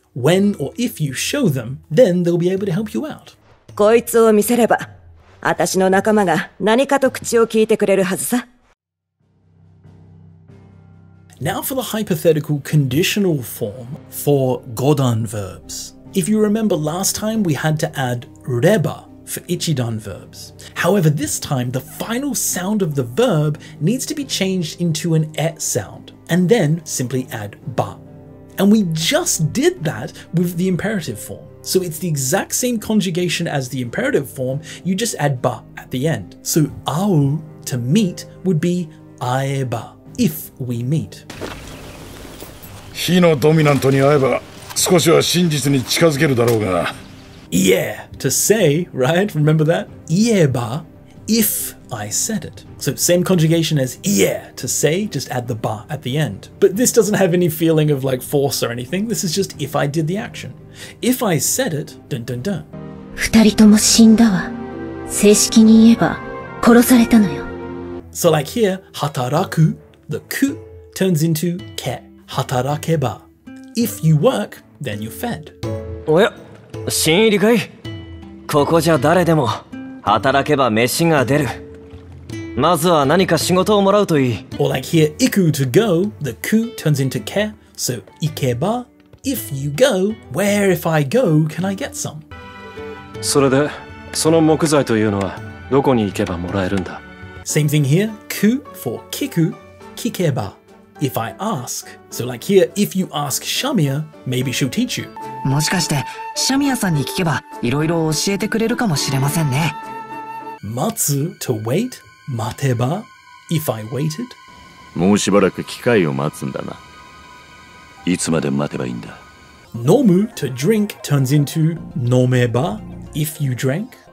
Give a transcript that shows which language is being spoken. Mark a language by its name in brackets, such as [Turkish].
[English] When or if you show them, then they'll be able to help you out. [Japanese] こいつを見せれば、私の仲間が何かと口を聞いてくれるはずさ。 [English] Now for the hypothetical conditional form for godan verbs. If you remember last time, we had to add reba. For ichidan verbs. However, this time the final sound of the verb needs to be changed into an e sound, and then simply add ba. And we just did that with the imperative form. So it's the exact same conjugation as the imperative form, you just add ba at the end. So au to meet would be aeba, if we meet. [Japanese] 火のドミナントに会えば少しは真実に近づけるだろうが。 [English] Yeah, to say, right? Remember that? Ieba, if I said it. So same conjugation as yeah, to say, just add the ba at the end. But this doesn't have any feeling of like force or anything. This is just if I did the action. If I said it, dun dun dun. [Japanese] 二人とも死んだわ。正式に言えば、殺されたのよ。 [English] So like here, 働く, the ku, turns into ke. 働けば.If you work, then you're fed. [Japanese] おや?新入りかい? ここじゃ誰でも働けば飯が出る。まずは何か仕事をもらうといい。 [English] Or like here, 行く to go, the ku turns into ke, so 行けば if you go, where if I go, can I get some? [Japanese] それで、その木材というのはどこに行けばもらえるんだ? [English] Same thing here, ku for 聞く、聞けば。 If I ask, so like here, if you ask Shamia, maybe she'll teach you. [Japanese] もしかして、シャミアさんに聞けば、いろいろ教えてくれるかもしれませんね。 [English] 待つ to wait, 待てば if I waited. [Japanese] もうしばらく機会を待つんだな。いつまで待てばいいんだ。 [English] 飲む to drink turns into 飲めば if you drank.